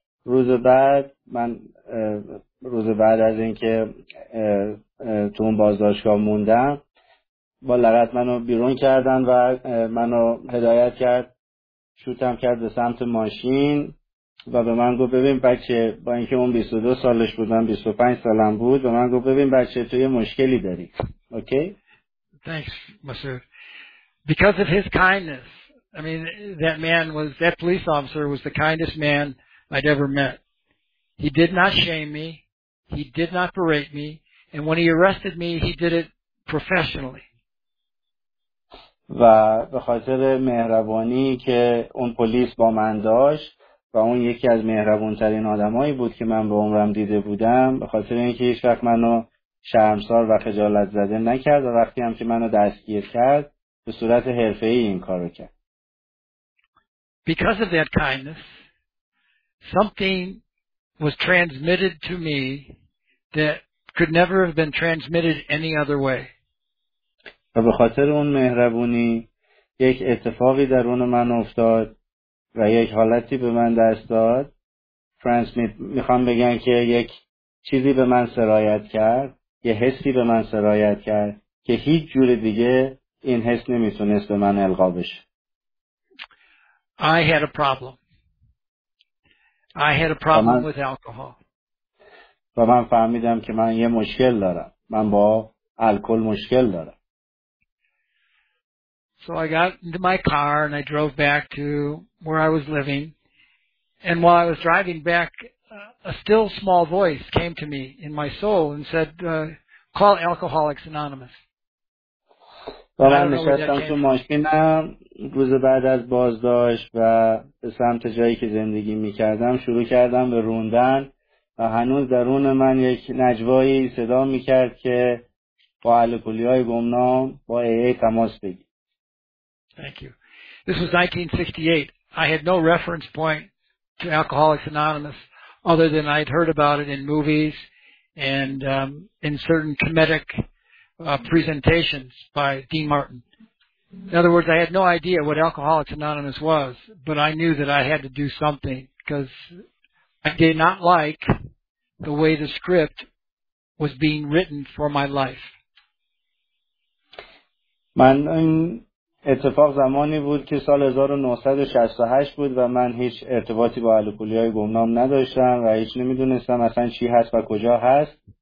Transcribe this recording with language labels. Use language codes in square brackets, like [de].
[fa] روز بعد من روز بعد از اینکه تو اون بازداشتگاه موندم، با لغت منو بیرون کردن و منو هدایت کرد، شوتم کرد به سمت ماشین و به من گفت ببین بچه، با اینکه اون 22 سالش بود من 25 سالم بود، به من گفت ببین بچه تو یه مشکلی داری. [en] Okay? Thanks, monsieur. Because of his kindness, I mean, that man was, that police officer was the kindest man I'd ever met. He did not shame me. He did not berate me. And when he arrested me, he did it professionally. [fa] و به خاطر مهربانی که اون پلیس با من داشت و اون یکی از مهربون‌ترین آدمایی بود که من به عمرم دیده بودم، به خاطر اینکه هیچ وقت منو شرمسار و خجالت زده نکرد و وقتی هم که منو دستگیر کرد به صورت حرفه‌ای این کارو کرد. [en] Because of that kindness, something was transmitted to me that could never have been transmitted any other way. [fa] و به خاطر اون مهربونی یک اتفاقی درون من افتاد و یک حالتی به من دست داد. ترانسمیت میخوام بگن که یک چیزی به من سرایت کرد، یه حسی به من سرایت کرد که هیچ جور دیگه این حس نمیتونست به من القا بشه. [en] I had a problem. I had a problem with alcohol. [fa] و من فهمیدم که من یه مشکل دارم. من با الکل مشکل دارم. [en] So I got into my car and I drove back to where I was living. And while I was driving back, a still small voice came to me in my soul and said, call Alcoholics Anonymous. [fa] و من نشستم تو ماشینم روز بعد از بازداشت و به سمت جایی که زندگی میکردم شروع کردم به روندن و هنوز درون من یک نجوایی صدا میکرد که با الکلی‌های گمنام با AA تماس بگیر. [en] Thank you. This was 1968. I had no reference point to Alcoholics Anonymous other than I'd heard about it in movies and in certain comedic presentations by Dean Martin. In other words, I had no idea what Alcoholics Anonymous was, but I knew that I had to do something because I did not like the way the script was being written for my life. [fa] Man, اتفاق زمانی بود که سال 1968 بود و من هیچ ارتباطی با الکلی‌های گمنام نداشتم و هیچ نمی‌دونستم اصلا چی هست و کجا هست.